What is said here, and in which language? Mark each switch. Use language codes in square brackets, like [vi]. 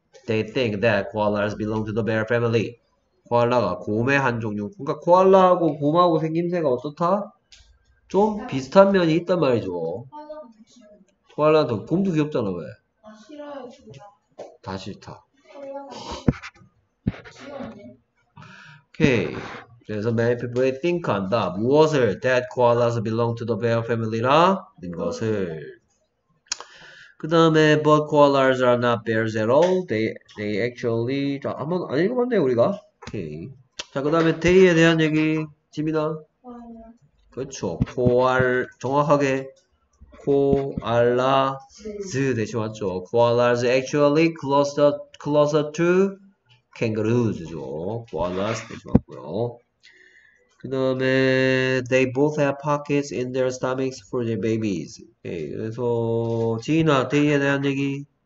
[en] They think that koalas belong to the bear family. [ko] 코알라가 곰의 한 종류. 그러니까 코알라하고 곰하고 생김새가 어떻다? 좀 비슷한 면이 있단 말이죠. 코알라는 더 곰도 귀엽잖아. 왜? 아, 싫어요. 다 싫다. 귀여운데? 오케이. 그래서 [en] many people think [ko] 한다. 무엇을? [en] That koalas belong to the bear family라? [ko] 는 것을. 그 다음에 [en] but koalas are not bears at all. They actually... [ko] 자, 한번 안 읽어봤네요 우리가. 오케이. 자, 그 다음에 데이에 대한 얘기. 지민아? 그렇죠. 코알... 정확하게 코알라즈 대신 왔죠. [en] Koalas actually closer to kangaroos죠. [ko] Koalas 대신 왔고요. 그 다음에 [en] they both have pockets in their stomachs for their babies. [ko] 오케이. 그래서 지민아, 데이에 대한 얘기.